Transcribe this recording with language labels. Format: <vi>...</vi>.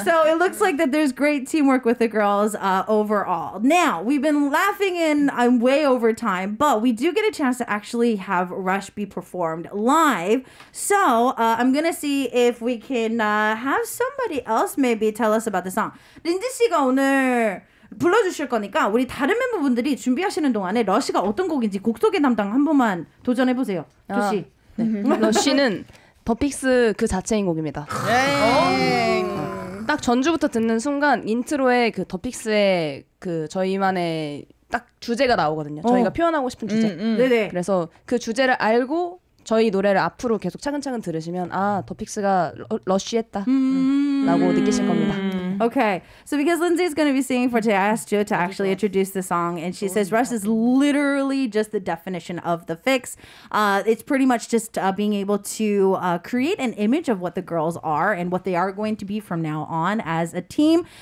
<en>So it looks like that there's great teamwork with the girls overall. Now, we've been laughing and I'm way over time, but we do get a chance to actually have Rush be performed live. So I'm going to see if we can have somebody else maybe tell us about the song.</en> <ko>린지 씨가 오늘 불러주실 거니까 우리 다른 멤버분들이 준비하시는 동안에 러쉬가 어떤 곡인지 곡 소개 담당 한 번만 도전해보세요. 조씨. 네. 러쉬는 더픽스 그 자체인 곡입니다. 딱 전주부터 듣는 순간 인트로에 그 더픽스의 그 저희만의 딱 주제가 나오거든요. 저희가 표현하고 싶은 주제. 네네. 그래서 그 주제를 알고 저희 노래를 앞으로 계속 차근차근 들으시면 아 더픽스가 러쉬했다 라고 느끼실 겁니다.</ko> <en>Okay, so because Lindsay is going to be singing for today, I asked Joe to actually introduce the song, and she says Rush is literally just the definition of the fix. It's pretty much just being able to create an image of what the girls are and what they are going to be from now on as a team.</en>